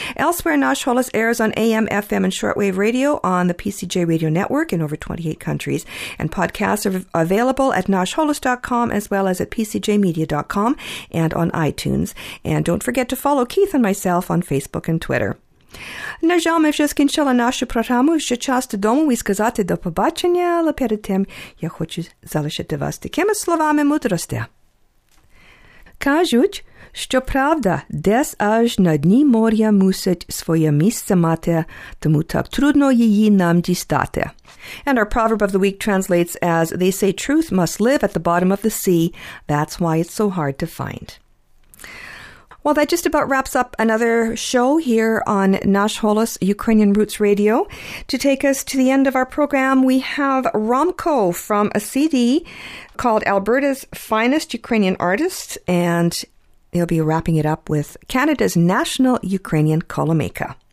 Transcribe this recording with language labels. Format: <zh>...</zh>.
<en>Elsewhere, Nash Holos airs on AM, FM, and shortwave radio on the PCJ Radio Network in over 28 countries. And podcasts are available at nashholos.com as well as at pcjmedia.com and on iTunes. And don't forget to follow Keith and myself on Facebook and Twitter.</en> <uk>Нажами вже скінчила нашу програму, що час додому і сказати до побачення, але перед тим я хочу залишити вас такими словами мудрості. Кажуть, що правда, десь аж на дні моря мусить своє місце мати, тому так трудно її нам дістати.</uk> <en>And our proverb of the week translates as, they say truth must live at the bottom of the sea, that's why it's so hard to find. Well, that just about wraps up another show here on Nash Holos Ukrainian Roots Radio. To take us to the end of our program, we have Romko from a CD called Alberta's Finest Ukrainian Artists, and he'll be wrapping it up with Canada's National Ukrainian Kolomeika.</en>